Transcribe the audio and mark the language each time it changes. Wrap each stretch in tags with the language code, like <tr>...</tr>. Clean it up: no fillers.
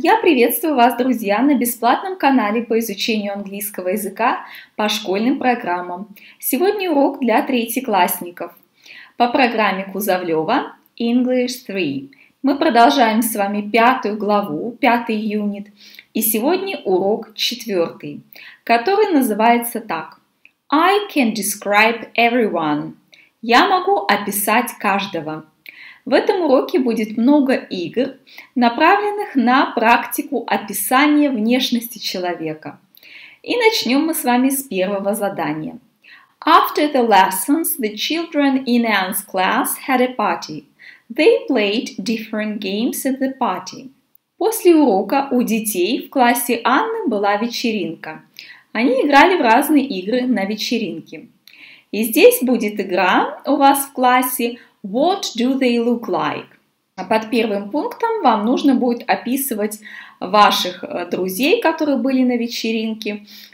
<ru>Я приветствую вас, друзья, на бесплатном канале по изучению английского языка по школьным программам. Сегодня урок для третьеклассников по программе Кузовлёва English 3. Мы продолжаем с вами пятую главу, пятый юнит, и сегодня урок четвертый, который называется так.</ru> <en>I can describe everyone.</en> <ru>Я могу описать каждого. В этом уроке будет много игр, направленных на практику описания внешности человека. И начнем мы с вами с первого задания.</ru> <en>After the lessons, the children in Anne's class had a party. They played different games at the party.</en> <ru>После урока у детей в классе Анны была вечеринка. Они играли в разные игры на вечеринке. И здесь будет игра у вас в классе</ru> <en>What do they look like?</en> <ru>Под первым пунктом вам нужно будет описывать ваших друзей, которые были на вечеринке.</ru>